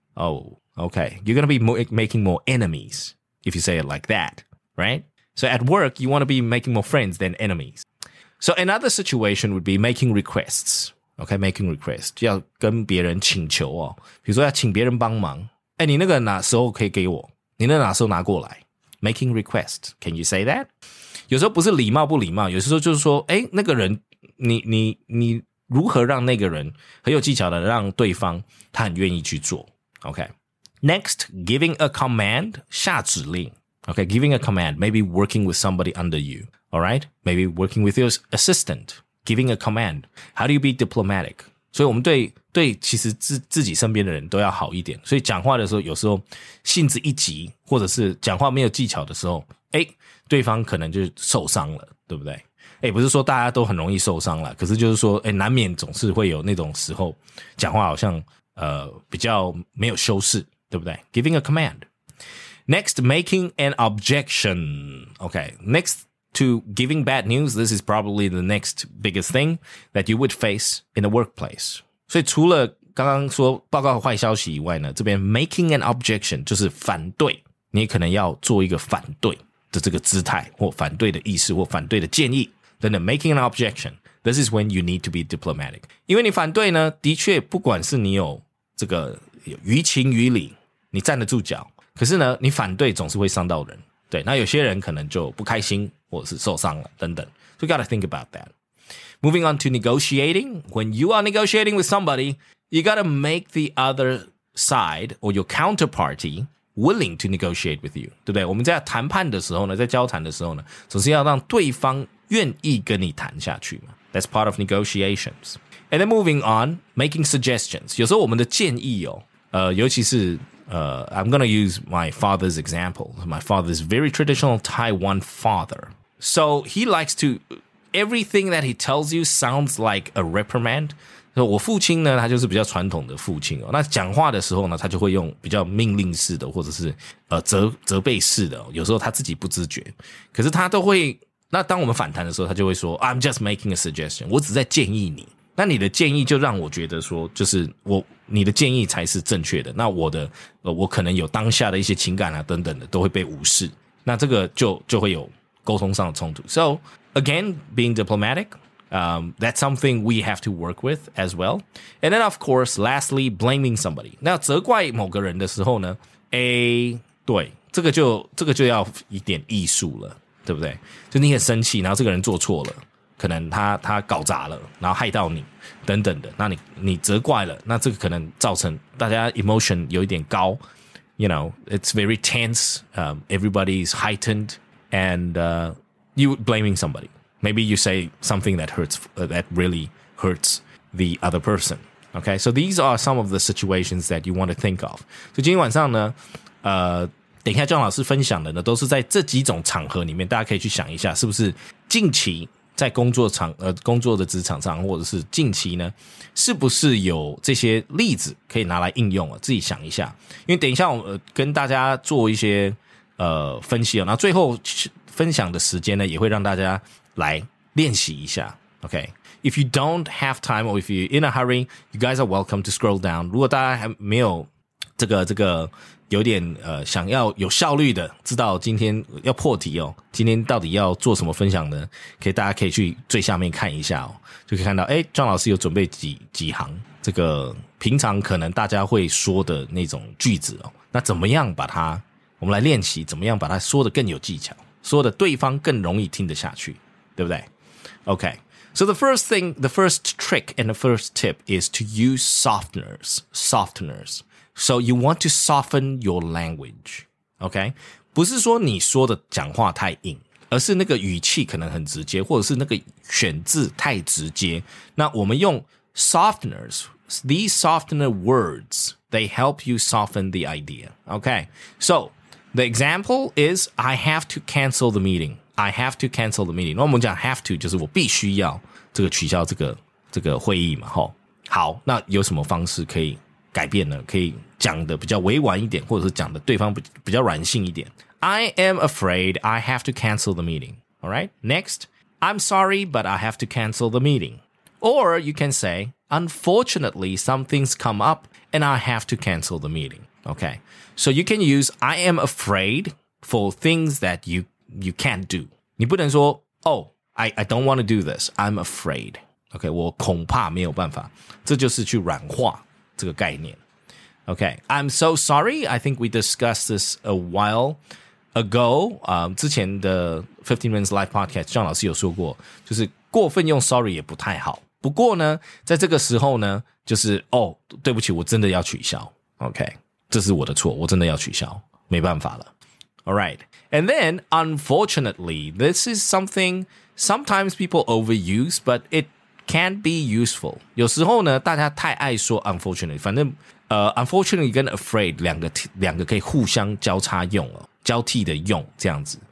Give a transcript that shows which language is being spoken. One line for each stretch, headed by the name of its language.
English: Okay, you're going to be making more enemies if you say it like that, right? So at work, you want to be making more friends than enemies. So another situation would be making requests. Okay, making requests.
Chinese: 要跟别人请求哦。比如说要请别人帮忙。你那个哪时候可以给我? 你那哪时候拿过来?
English: Making requests. Can you say that?
Chinese: 有时候不是礼貌不礼貌,有时候就是说,那个人,你如何让那个人很有技巧的让对方他很愿意去做?
English: Okay. Next, giving a command,
Chinese: 下指令。
English: Okay, giving a command, maybe working with somebody under you. All right? Maybe working with your assistant, giving a command. How do you be diplomatic?
Chinese: 所以我们对其实自己身边的人都要好一点。所以讲话的时候有时候性子一急或者是讲话没有技巧的时候对方可能就受伤了对不对? 欸、不是说大家都很容易受伤啦，可是就是说、欸、难免总是会有那种时候讲话好像比较没有修饰，对不对？
English: Giving a command. Next, making an objection. Okay, next to giving bad news, this is probably the next biggest thing that you would face in the workplace.
Chinese: 所以除了刚刚说报告坏消息以外呢，这边 making an objection 就是反对，你可能要做一个反对的这个姿态，或反对的意思，或反对的建议。
English: Then the making an objection, this is when you need to be diplomatic.
Chinese: 因为你反对呢，的确不管是你有这个于情于理，你站得住脚，可是呢，你反对总是会伤到人。对，那有些人可能就不开心，或者是受伤了等等。 So you gotta think about that.
English: Moving on to negotiating, when you are negotiating with somebody, you gotta make the other side or your counterparty willing to negotiate with you,
Chinese: 对不对？我们在谈判的时候呢，在交谈的时候呢，总是要让对方愿意跟你谈下去嘛。
English: That's part of negotiations. And then moving on, making suggestions.
Chinese: 有时候我们的建议哦，尤其是
English: I'm gonna use my father's example. My father's very traditional Taiwan father. So he likes to, everything that he tells you sounds like a reprimand.
Chinese: 我父亲呢，他就是比较传统的父亲哦。那讲话的时候呢，他就会用比较命令式的，或者是责备式的、哦。有时候他自己不自觉，可是他都会。那当我们反弹的时候，他就会说
English: I'm just making a suggestion，
Chinese: 我只在建议你。那你的建议就让我觉得说，就是我你的建议才是正确的。那我的我可能有当下的一些情感啊等等的都会被无视。那这个就会有沟通上的冲突。
English: So again, being diplomatic, that's something we have to work with as well. And then of course, lastly, blaming somebody.
Chinese: 那责怪某个人的时候呢，对，这个就要一点艺术了。对不对？就你很生气，然后这个人做错了，可能他搞砸了，然后害到你等等的，那你责怪了，那这个可能造成大家 emotion 有一点高，
English: you know it's very tense, everybody is heightened, and you blaming somebody, maybe you say something that hurts, that really hurts the other person. Okay, so these are some of the situations that you want to think of.
Chinese: 所以今天晚上呢，等一下John老师分享的呢都是在这几种场合里面，大家可以去想一下是不是近期在工作的职场上，或者是近期呢是不是有这些例子可以拿来应用，自己想一下。因为等一下我跟大家做一些分析，那最后分享的时间呢也会让大家来练习一下。
English: OK, If you don't have time or if you're in a hurry, you guys are welcome to scroll down.
Chinese: 如果大家还没有这个有点想要有效率的知道今天要破题哦，今天到底要做什么分享呢，可以大家可以去最下面看一下哦，就可以看到诶庄老师有准备几行这个平常可能大家会说的那种句子哦，那怎么样把它，我们来练习怎么样把它说的更有技巧，说的对方更容易听得下去，对不对？
English: OK, So the first thing, the first trick and the first tip is to use softeners. So you want to soften your language, okay?
Chinese: 不是说你说的讲话太硬，而是那个语气可能很直接，或者是那个选字太直接。那我们用
English: softeners, these softener words, they help you soften the idea, okay? So the example is, I have to cancel the meeting. I have to cancel the meeting.
Chinese: 那我们讲 have to, 就是我必须要这个取消这个会议嘛，齁。好，那有什么方式可以改变呢，可以讲的比较委婉一点，或者是讲的对方比较软性一点。
English: I am afraid I have to cancel the meeting. Alright? Next, I'm sorry, but I have to cancel the meeting. Or you can say, unfortunately, something's come up and I have to cancel the meeting. Okay? So you can use I am afraid for things that you can't do.
Chinese: 你不能说
English: oh, I don't want to do this. I'm afraid. Okay,
Chinese: 我恐怕没有办法。这就是去软化。这个概念
English: Okay, I'm so sorry. I think we discussed this a while ago.
Chinese: 之前的15 Minutes Live Podcast, 庄老师有说过，就是过分用 sorry 也不太好。不过呢，在这个时候呢，就是哦，对不起，我真的要取消。 Okay, 这是我的错，我真的要取消，没办法了。
English: All right, and then unfortunately, this is something sometimes people overuse, but it. Can be useful.
Chinese: 有时候呢，大家太爱说 unfortunately. 反正unfortunately 跟 afraid 两个可以互相交叉用哦，交替的用这样子。